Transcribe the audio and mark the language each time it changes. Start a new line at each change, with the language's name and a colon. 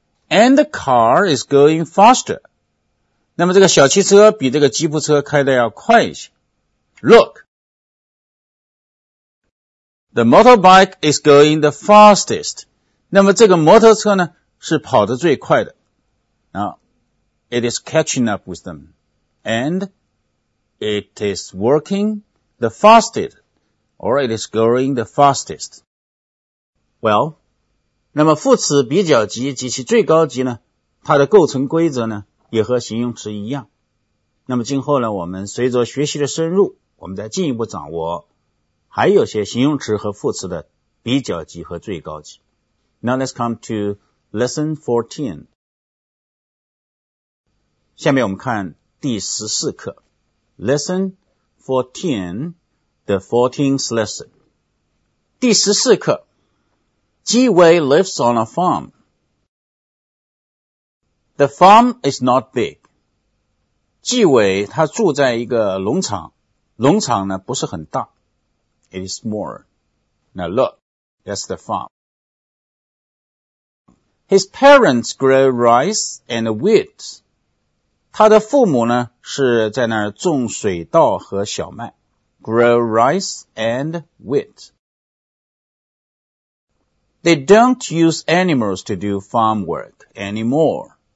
English: And the car is going faster.
Chinese: 那么这个小汽车比这个吉普车开得要快一些。
English: Look, the motorbike is going the fastest.
Chinese: 那么这个摩托车呢，是跑得最快的。
English: Now, it is catching up with them, and it is working the fastest, or it is going the fastest.
Chinese: Well, 那么副词比较级及其最高级呢，它的构成规则呢，也和形容词一样。那么今后呢，我们随着学习的深入，我们再进一步掌握还有些形容词和副词的比较级和最高级。
English: Now let's come to lesson 14.
Chinese: 下面我们看第十四课
English: Lesson 14 The 14th Lesson
Chinese: 第十四课
English: Jiwei lives on a farm The farm is not big
Chinese: Jiwei 他住在一个农场农场呢不是很大
English: It is small Now look, that's the farm His parents grow rice and wheat
Chinese: 他的父母呢是在那儿种水稻和小麦
English: grow rice and wheat. They don't use animals to do farm work anymore.